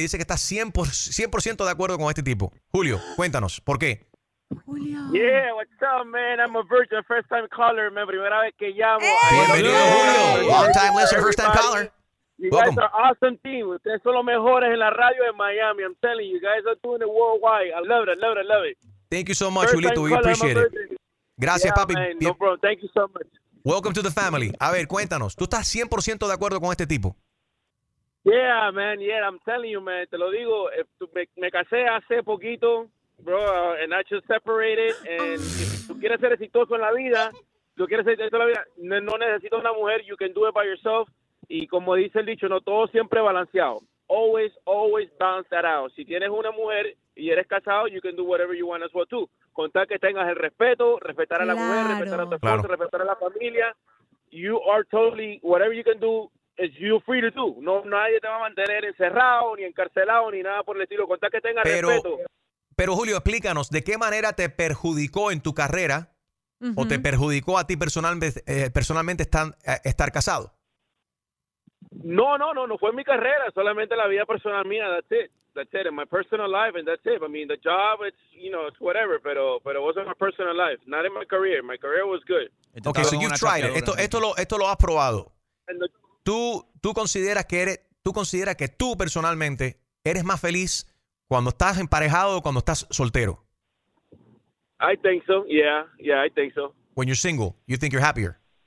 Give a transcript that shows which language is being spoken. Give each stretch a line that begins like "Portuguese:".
Spanish: Dice que está 100% de acuerdo con este tipo. Julio, cuéntanos, ¿por qué?
English: Julio. Yeah, what's up, man? I'm a virgin, first time caller, man.
Spanish: Primera vez que llamo.
English: Bienvenido, Julio. Long time listener, first time caller. You guys are awesome team.
Spanish: Ustedes son los mejores en la radio de Miami.
English: I'm telling you, guys are doing it worldwide. I love it. Thank you so much, first Julito. We appreciate it.
Spanish: Gracias, papi.
English: Man. No problem. Thank you so much. Welcome to the family.
Spanish: A ver, cuéntanos. ¿Tú estás 100% de acuerdo con este tipo?
English: Yeah, man. Yeah, I'm telling you, man.
Spanish: Te lo digo. Me casé hace poquito,
English: bro, and I just separated. And if
Spanish: tú quieres ser exitoso en la vida, no necesitas una mujer.
English: You can do it by yourself.
Spanish: Y como dice el dicho, no todo siempre balanceado.
English: Always, always balance that out.
Spanish: Si tienes una mujer y eres casado,
English: you can do whatever you want as well too.
Spanish: Con tal que tengas el respeto, respetar a la mujer, respetar a tu esposo, respetar a la familia.
English: You are totally, whatever you can do, is you free to do.
Spanish: No, nadie te va a mantener encerrado, ni encarcelado, ni nada por el estilo. Con tal que tengas respeto. Pero Julio, explícanos, ¿de qué manera te perjudicó en tu carrera o te perjudicó a ti personalmente estar casado? No fue mi carrera, solamente la vida personal mía,
English: that's it, in my personal life, and that's it. I mean, the job, it's whatever, pero it wasn't my personal life, not in my career was good. Okay, so you've tried it,
Spanish: esto lo has probado, tú consideras que tú personalmente eres más feliz cuando estás emparejado o cuando estás soltero?
English: I think so, yeah, I think so. When you're single, you think you're happier?